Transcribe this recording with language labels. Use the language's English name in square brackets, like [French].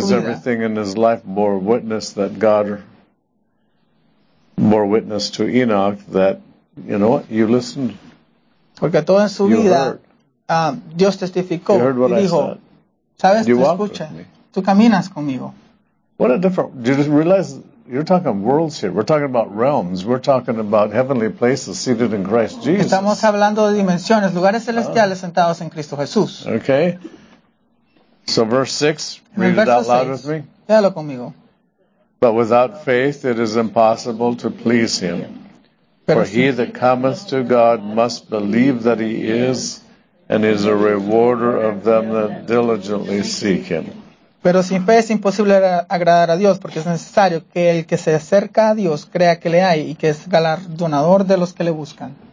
[English] Because everything in his life bore witness that God bore witness to Enoch that, you know what, you listened. [Spanish] Porque todo en su [English] you [Spanish] vida, [English] heard. [Spanish] Dios testificó [English] you heard what [Spanish] y dijo, [English] I said. You [Spanish] tú escuchas. Tú caminas conmigo. [English] What a different, do you just realize, you're talking worlds here. We're talking about realms. We're talking about heavenly places seated in Christ Jesus. [Spanish] Estamos hablando de dimensiones, lugares celestiales sentados en Cristo Jesús. [English] Okay. So verse 6, read it out loud with me. [Spanish] Léalo conmigo. [English] But without faith it is impossible to please him. For he that cometh to God must believe that he is and is a rewarder of them that diligently seek him. [Spanish] Pero sin fe es imposible agradar a Dios porque es necesario que el que se acerca a Dios crea que le hay y que es galardonador de los que le buscan.